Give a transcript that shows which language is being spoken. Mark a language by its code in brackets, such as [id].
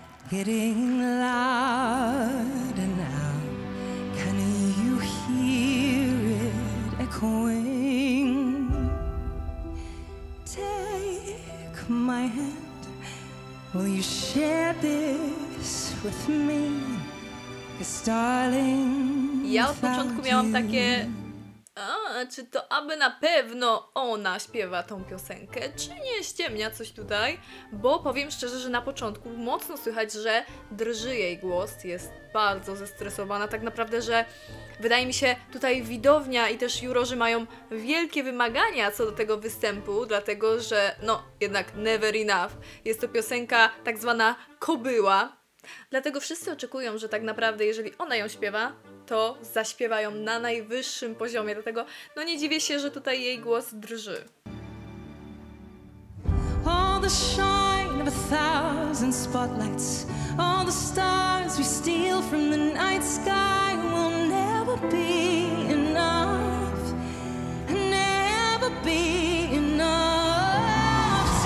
[en] Getting loud and now. Can you hear it echoing? Take my hand. Will you share this with me? Cause darling, [pl] ja od początku miałam takie czy to aby na pewno ona śpiewa tą piosenkę, czy nie ściemnia coś tutaj, bo powiem szczerze, że na początku mocno słychać, że drży jej głos, jest bardzo zestresowana, tak naprawdę, że wydaje mi się, tutaj widownia i też jurorzy mają wielkie wymagania co do tego występu, dlatego że, no, jednak Never Enough, jest to piosenka tak zwana kobyła, dlatego wszyscy oczekują, że tak naprawdę, jeżeli ona ją śpiewa, to zaśpiewa ją na najwyższym poziomie, dlatego no nie dziwię się, że tutaj jej głos drży. [en] All the shine of a thousand spotlights, all the stars we steal from the night sky will never be enough, never be enough.